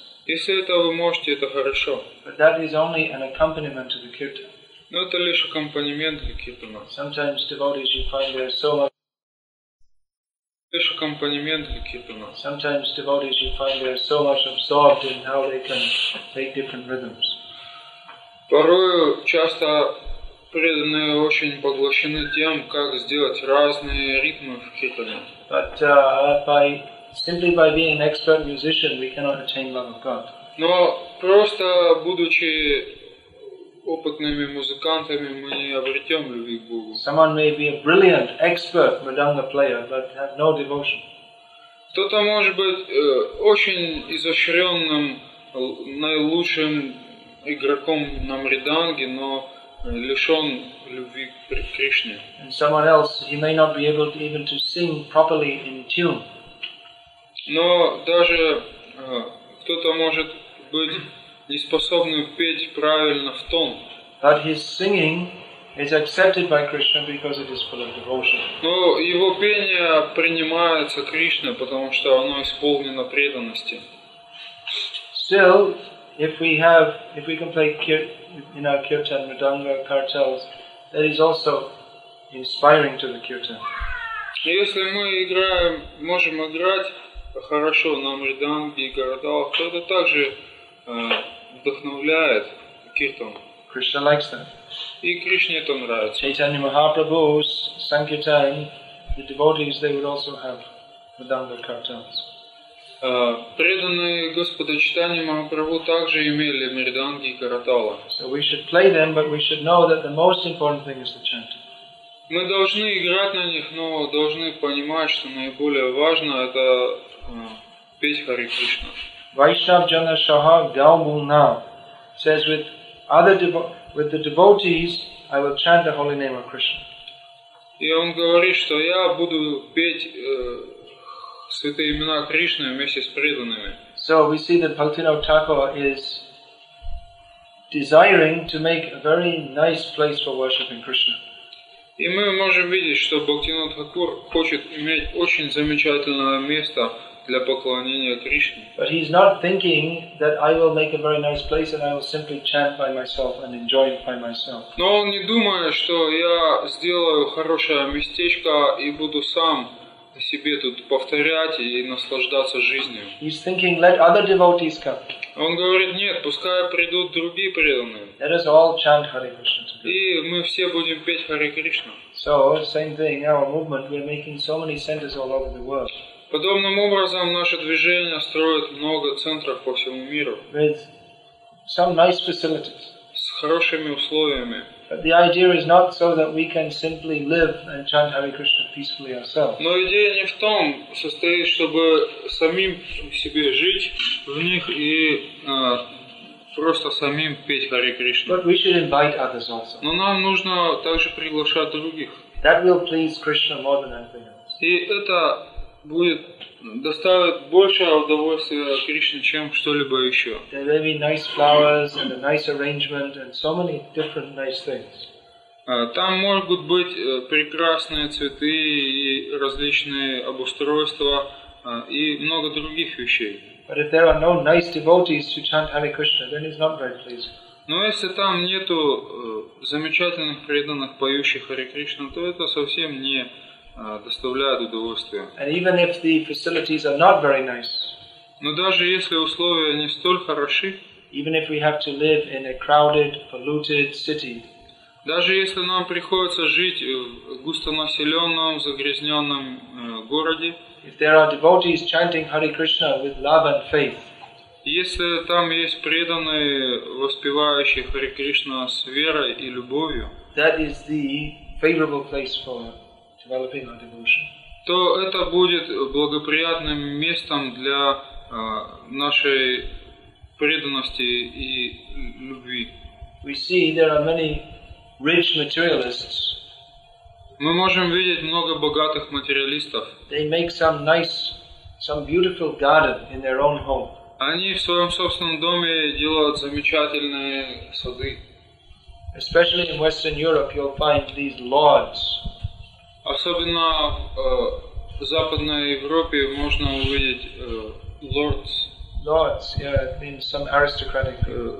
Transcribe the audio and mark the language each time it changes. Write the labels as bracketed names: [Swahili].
[Russian] Если это вы можете, это хорошо. [English] But that is only an accompaniment to the kirtan. [Russian] Но это лишь аккомпанемент для киртана. [English] Sometimes devotees you find they are so [Russian] лишь аккомпанемент для киртана. [English] Sometimes devotees you find they are so much absorbed in how they can take different rhythms. [Russian] Порою часто преданные очень поглощены тем, как сделать разные ритмы в киртане. [English] But simply by being an expert musician, we cannot attain love of God. [Russian] Но просто будучи опытными музыкантами, мы не обретем любви к Богу. [English] Someone may be a brilliant, expert mridanga player, but have no devotion. [Russian] Кто-то может быть очень изощренным, наилучшим игроком на мриданге, но лишен любви к Кришне. [English] And someone else, he may not be able to even to sing properly in tune. [Russian] Но даже кто-то может быть неспособным петь правильно в тон. [English] But his singing is accepted by Krishna because it is full of devotion. [Russian] Но его пение принимается Кришной, потому что оно исполнено преданности. [English] Still, if we can play in our kirtan, mridanga, kartals, that is also inspiring to the kirtan. [Russian] Если мы можем играть хорошо на мриданге и гардалах, то это также вдохновляет киртан. [English] Krishna likes that. [Russian] И Кришне это нравится. [English] Chaitanya Mahaprabhu's sankirtan, the devotees, they would also have mridanga kartals. [Russian] Преданные Господа Чайтанья Махапрабху также имели мриданги и каратала. [English] So we should play them, but we should know that the most important thing is the chanting. [Russian] Мы должны играть на них, но должны понимать, что наиболее важно это петь Харе Кришна. [English] Vaishnav Jana Shaha Gaumuna says, with the devotees, I will chant the holy name of Krishna. [Russian] И он говорит, что я буду петь святые имена Кришны вместе с преданными. [English] So we see that Bhaktivinoda Thakur is desiring to make a very nice place for worshiping Krishna. [Russian] И мы можем видеть, что Бхактивинода Тхакур хочет иметь очень замечательное место для поклонения Кришне. [English] But he's not thinking that I will make a very nice place and I will simply chant by myself and enjoy it by myself. [Russian] Но он не думает, что я сделаю хорошее местечко и буду сам себе тут повторять и наслаждаться жизнью. [English] He's thinking, let other devotees come. [Russian] Он говорит, нет, пускай придут другие преданные. [English] Let us all chant Hare Krishna. [Russian] И мы все будем петь Харе Кришна. [English] So, same thing, our movement, we're making so many centers all over the world. [Russian] Подобным образом наше движение строит много центров по всему миру. [English] With some nice facilities. [Russian] С хорошими условиями. [English] But the idea is not so that we can simply live and chant Hare Krishna peacefully ourselves. [Russian] Но идея не в том, состоит, чтобы самим себе жить в них и просто самим петь Харе Кришна. [English] But we should invite others also. [Russian] Но нам нужно также приглашать других. [English] That will please Krishna more than anything else. [Russian] И это будет доставить больше удовольствия Кришне, чем что-либо еще. [English] There will be nice flowers and a nice arrangement and so many different nice things. [Russian] Там могут быть прекрасные цветы и различные обустройства и много других вещей. [English] But if there are no nice devotees to chant Hare Krishna, then it's not very pleasing. [Russian] Но если там нету замечательных преданных поющих Харе Кришна, то это совсем не доставляет удовольствия. [English] And even if the facilities are not very nice. [Russian] Но даже если условия не столь хороши. [English] Even if we have to live in a crowded, polluted city. [Russian] Даже если нам приходится жить в густонаселенном, загрязненном городе. [English] If there are devotees chanting Hare Krishna with love and faith. [Russian] Если там есть преданные, воспевающие Харе Кришна с верой и любовью. [English] That is the favorable place for developing our devotion. [Russian] То это будет благоприятным местом для нашей преданности и любви. [English] We see there are many rich materialists. [Russian] Мы можем видеть много богатых материалистов. [English] They make some nice, some beautiful garden in their own home. [Russian] Они в своем собственном доме делают замечательные сады. [English] Especially in Western Europe, you'll find these lords. [Russian] Особенно в Западной Европе можно увидеть lords. [English] Lords, yeah, it means some aristocratic people.